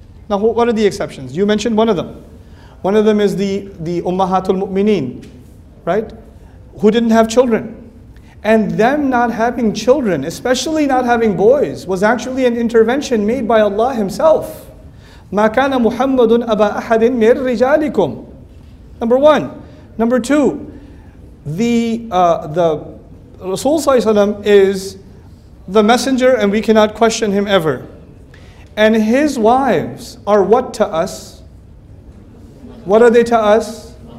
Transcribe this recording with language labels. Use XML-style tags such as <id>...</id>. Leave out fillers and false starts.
<en>Now, what are the exceptions? You mentioned one of them. One of them is the Ummahatul Mu'mineen, right? Who didn't have children. And them not having children, especially not having boys, was actually an intervention made by Allah Himself.</en> <ar>مَا كَانَ مُحَمَّدٌ أَبَا أَحَدٍ مِنْ رِجَالِكُمْ.</ar> <en>Number one. Number two, the Rasul is the messenger and we cannot question him ever. And his wives are what to us? What are they to us?</en>